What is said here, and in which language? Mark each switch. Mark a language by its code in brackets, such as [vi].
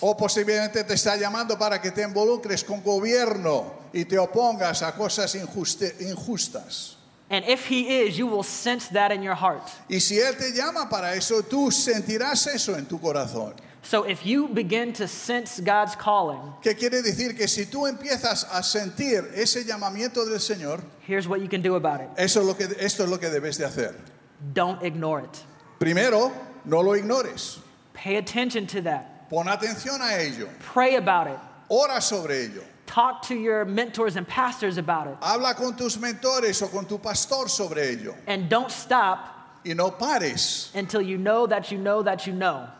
[es] O posiblemente te está llamando para que te involucres con gobierno y te opongas a cosas injustas. [en] And if he is, you will sense that in your heart. [es] Y si él te llama para eso, tú sentirás eso en tu corazón. [en] So if you begin to sense God's calling, [es] ¿qué quiere decir? Que si tú empiezas a sentir ese llamamiento del Señor, [en] here's what you can do about it. [es] Esto es lo que debes de hacer. [en] Don't ignore it. [es] Primero, no lo ignores. [en] Pay attention to that. [es] Pon atención a ello. [en] Pray about it. [es] Ora sobre ello. [en] Talk to your mentors and pastors about it. [es] Habla con tus mentores o con tu pastor sobre ello. [en] And don't stop. [es] Y no pares. [en] Until you know that you know that you know.